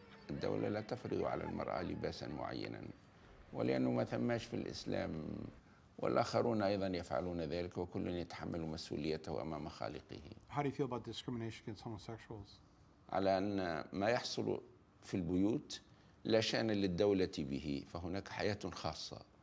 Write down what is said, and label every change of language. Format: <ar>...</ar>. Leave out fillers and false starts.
<ar>الدولة لا تفرض على المرأة لباسا معينا. ولأنه ما ثماش في الإسلام. والآخرون أيضا يفعلون ذلك. وكل يتحمل مسؤوليته أمام خالقه.</ar> <en>How do you feel about discrimination against homosexuals?</en> <ar>على أن ما يحصل في البيوت لا شأن للدولة به، فهناك حياة خاصة.</ar>